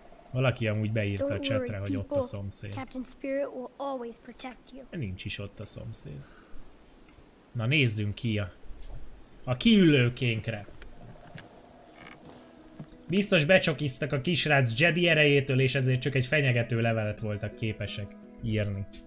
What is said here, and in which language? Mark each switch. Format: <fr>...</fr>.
<hu>Valaki amúgy beírta a csetre, hogy ott a szomszéd.</hu> <en>Captain Spirit will always protect you.</en> <hu>Nincs is ott a szomszéd. Na nézzünk ki a kiülőkénkre. Biztos becsokiztak a kisrác Jedi erejétől, és ezért csak egy fenyegető levelet voltak képesek írni.</hu>